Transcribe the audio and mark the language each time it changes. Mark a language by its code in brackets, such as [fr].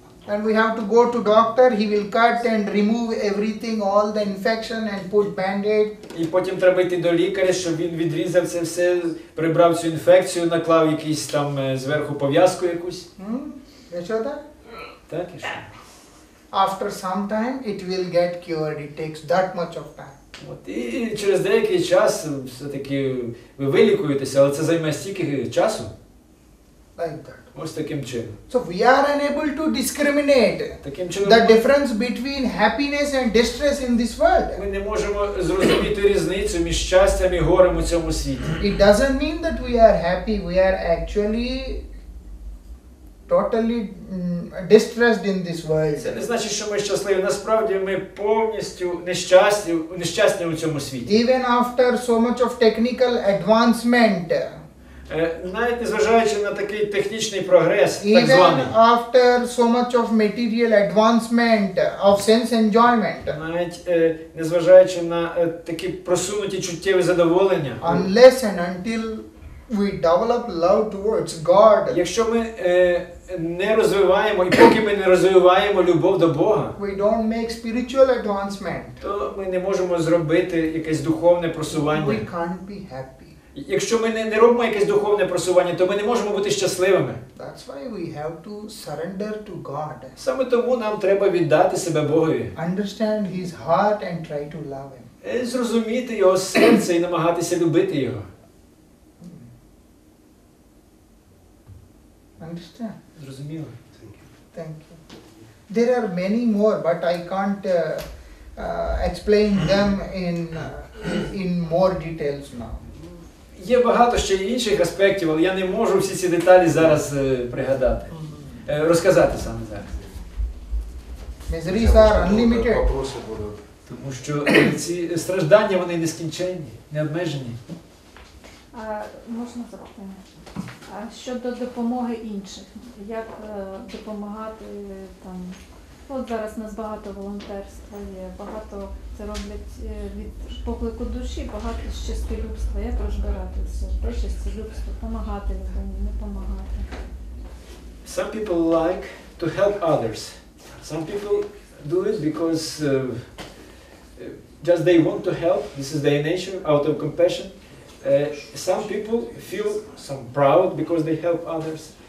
[en] And we have to go to doctor, he will cut and remove everything, all the infection and put band-aid. [uk] І потім треба йти до лікаря, щоб він відрізав це все, прибрав цю інфекцію, наклав якийсь там зверху пов'язку якусь. Я що так? Так, і що? [en] After some time it will get cured, it takes that much of time. [uk] От, і через деякий час все-таки ви вилікуєтеся, але це займе стільки часу? [en] like that. [uk] Ось таким чином. [en] So we are unable to discriminate the difference between happiness and distress in this world. [uk] Ми не можемо зрозуміти різницю між щастям і горем у цьому світі. [en] It doesn't mean that we are happy, we are actually totally distressed in this world. [uk] Це не значить, що ми щасливі. Насправді ми повністю нещасні у цьому світі. [en] Even after so much of technical advancement. [uk] Навіть незважаючи на такий технічний прогрес, так званий. [en] Even after so much of material advancement of sense enjoyment. [uk] Навіть незважаючи на такі просунуті чуттєві задоволення. [en] Unless and until we develop love towards God. [uk] Якщо ми не розвиваємо і поки ми не розвиваємо любов до Бога, [en] we don't make spiritual advancement. [uk] То ми не можемо зробити якесь духовне просування. [en] We can't be happy. [uk] Якщо ми не робимо якесь духовне просування, то ми не можемо бути щасливими. [en] That's why we have to surrender to God. [uk] Саме тому нам треба віддати себе Богові. [en] Understand his heart and try to love him. [uk] І зрозуміти його серце і намагатися любити його. [en] Understand? [uk] Зрозуміло. [en] Thank you. There are many more, but I can't explain them in more details now. [uk] Є багато ще інших аспектів, але я не можу всі ці деталі зараз пригадати. Розказати саме зараз. Мізері зараз [en] unlimited. [uk] Вопроси будуть. Тому що ці страждання, вони нескінченні, необмежені. Можна запитання? Щодо допомоги інших. Як допомагати там? От зараз у нас багато волонтерства є, багато це роблять від поклику душі, багато з щастилюбства. Як розбиратися? Те щастилюбство, допомагати людині, не допомагати. [en] Some people like to help others. Some people do it because just they want to help. This is their nature, out of compassion. Some people feel some proud because they help others.